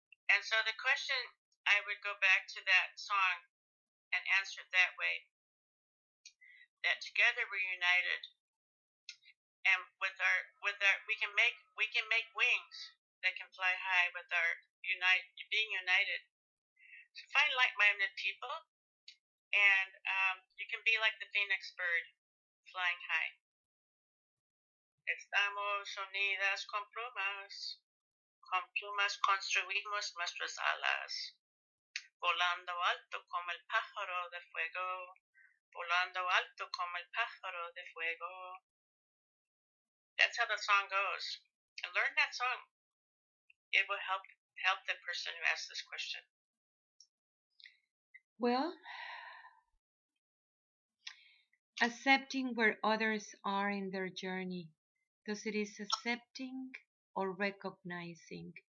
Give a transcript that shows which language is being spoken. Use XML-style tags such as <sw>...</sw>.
<en>And so the question, I would go back to that song and answer it that way, that together we're united, and we can make wings that can fly high with our being united. So find like-minded people. And you can be like the phoenix bird, flying high.</en> <es>Estamos unidas con plumas construimos nuestras alas, volando alto como el pájaro de fuego, volando alto como el pájaro de fuego.</es> <en>That's how the song goes. And learn that song. It will help the person who asked this question. Well, accepting where others are in their journey, because it is accepting or recognizing.</en>